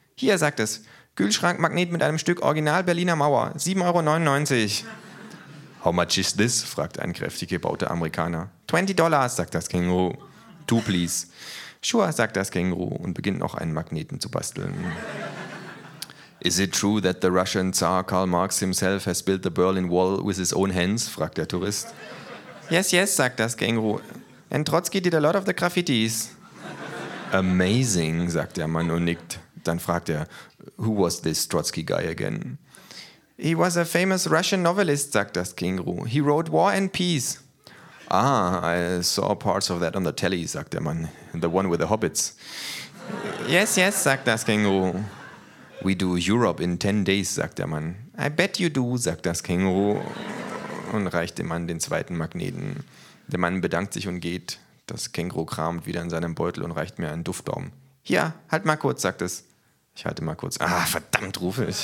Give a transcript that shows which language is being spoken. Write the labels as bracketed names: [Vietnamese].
[German] Hier, sagt es, Kühlschrankmagnet mit einem Stück Original Berliner Mauer, 7,99 Euro. [English] How much is this? [German] Fragt ein kräftig gebauter Amerikaner. $20, sagt das Känguru. [English] Two, please. Sure, [German] sagt das Känguru und beginnt noch einen Magneten zu basteln. [English] Is it true that the Russian Tsar Karl Marx himself has built the Berlin Wall with his own hands? [German] Fragt der Tourist. [English] Yes, yes, [German] sagt das Känguru. [English] And Trotsky did a lot of the graffitis. Amazing, [German] sagt der Mann und nickt. Dann fragt er, [English] who was this Trotsky guy again? He was a famous Russian novelist, [German] sagt das Känguru. [English] He wrote War and Peace. Ah, I saw parts of that on the telly, [German] sagt der Mann. [English] The one with the hobbits. Yes, yes, [German] sagt das Känguru. [English] We do Europe in 10 days, [German] sagt der Mann. [English] I bet you do, [German] sagt das Känguru. Und reicht dem Mann den zweiten Magneten. Der Mann bedankt sich und geht. Das Känguru kramt wieder in seinem Beutel und reicht mir einen Duftbaum. Hier, halt mal kurz, sagt es. Ich halte mal kurz. Ah, verdammt, rufe ich.